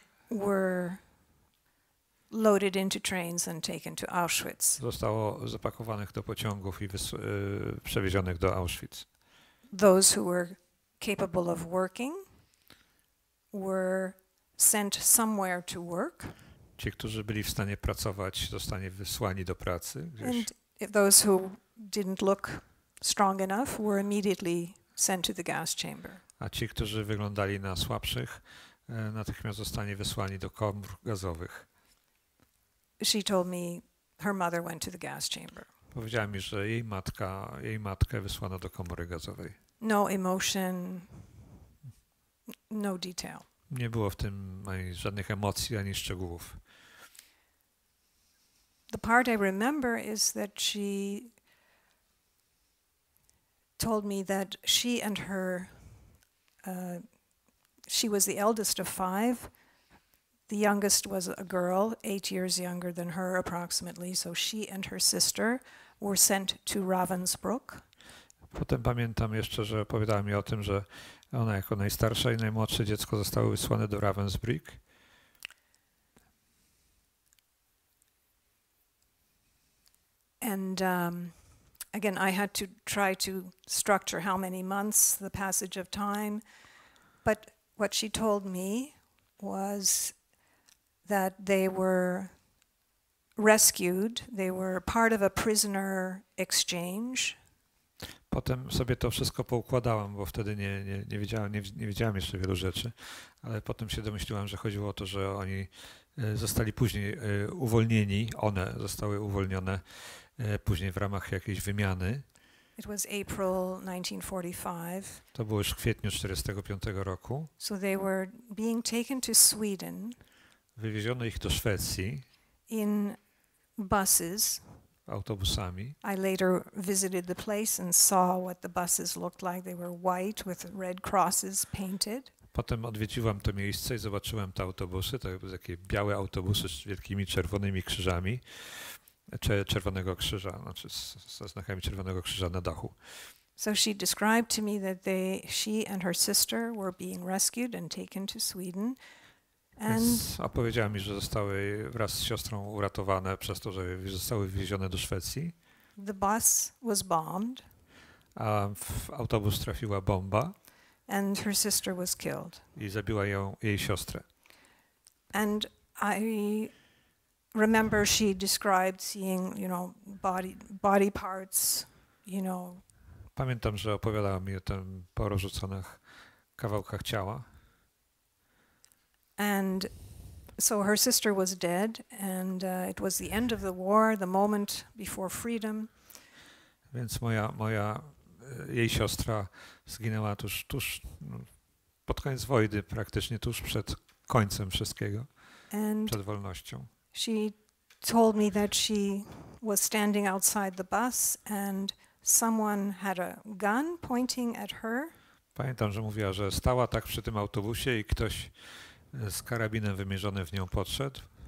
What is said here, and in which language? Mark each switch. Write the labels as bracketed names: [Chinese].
[English] were loaded into trains and taken to Auschwitz. [Polish] Zostało zapakowanych do pociągów i przewiezionych do Auschwitz. [English] Those who were capable of working were sent somewhere to work. [Polish] Ci, którzy byli w stanie pracować, zostali wysłani do pracy gdzieś. [English] And those who didn't look strong enough were immediately sent to the gas chamber. [Polish] A ci, którzy wyglądali na słabszych, natychmiast zostali wysłani do komór gazowych. [English] She told me her mother went to the gas chamber. [Polish] Powiedziała mi, że jej matkę wysłano do komory gazowej. [English] No emotion, no detail. [Polish] Nie było w tym ani żadnych emocji, ani szczegółów. [English] The part I remember is that she told me that she and her, she was the eldest of five. The youngest was a girl, 8 years younger than her approximately, so she and her sister were sent to Ravensbrück. [Polish] Potem pamiętam jeszcze, że opowiadała mi o tym, że ona jako najstarsza i najmłodsze dziecko zostały wysłane do Ravensbrück. [English] And again, I had to try to structure how many months, the passage of time. But what she told me was that they were rescued. They were part of a prisoner exchange. [Polish] Potem sobie to wszystko poukładałam, bo wtedy nie wiedziałam jeszcze wielu rzeczy, ale potem się domyśliłam, że chodziło o to, że oni zostali później uwolnieni, one zostały uwolnione później w ramach jakiejś wymiany. [English] It was April 1945. [Polish] To było już w kwietniu 1945 roku. [English] So they were being taken to Sweden. [Polish] Wywieziono ich do Szwecji. [English] In buses. [Polish] Autobusami. [English] I later visited the place and saw what the buses looked like. They were white with red crosses painted. [Polish] Potem odwiedziłam to miejsce i zobaczyłam te autobusy. To były takie białe autobusy z wielkimi czerwonymi krzyżami. Czerwonego krzyża, znaczy ze znakami Czerwonego Krzyża na dachu. [English] So she described to me that they, she and her sister were being rescued and taken to Sweden. [Polish] And opowiedziała mi, że zostały wraz z siostrą uratowane przez to, że zostały wywiezione do Szwecji. [English] The bus was bombed. [Polish] A w autobus trafiła bomba. [English] And her sister was killed. [Polish] I zabiła ją jej siostrę. [English] And I remember she described seeing, you know, body parts, you know. [Polish] Pamiętam, że opowiadała mi o tym porozrzuconych kawałkach ciała. [English] And so her sister was dead, and it was the end of the war, the moment before freedom. [Polish] Więc moja jej siostra zginęła tuż pod koniec wojny, praktycznie tuż przed końcem wszystkiego, [English] and [Polish] przed wolnością. [English] She told me that she was standing outside the bus and someone had a gun pointing at her. [Polish] Pamiętam, że mówiła, że stała tak przy tym autobusie i ktoś z karabinem wymierzonym w nią podszedł.